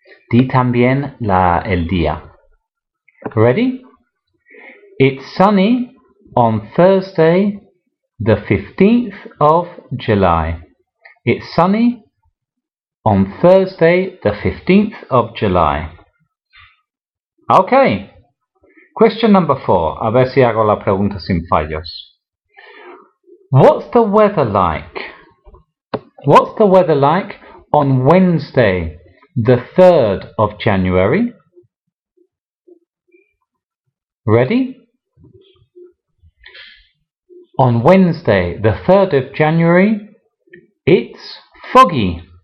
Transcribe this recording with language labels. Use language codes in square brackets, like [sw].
[es] Di también el día. [en] Ready? It's sunny on Thursday, the 15th of July. It's sunny on Thursday, the 15th of July. Okay. Question number four. [es] A ver si hago la pregunta sin fallos. [en] What's the weather like? What's the weather like on Wednesday, the 3rd of January? Ready? On Wednesday, the 3rd of January, it's foggy.